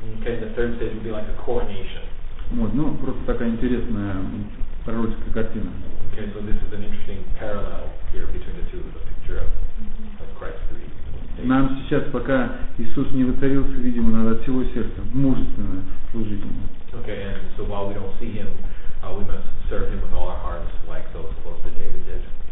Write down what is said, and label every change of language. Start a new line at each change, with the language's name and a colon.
English: Okay, the third stage will be like a coronation.
Russian: Вот, ну, просто такая интересная пророческая картина.
English: Okay, so this is an interesting parallel here between the two, the picture of Christ's reign.
Russian: Нам сейчас, пока Иисус не воцарился, видимо, надо от всего сердца мужественно служить Ему.
English: Okay, and so while we don't see Him, we must serve Him with all our hearts, like those close to David did.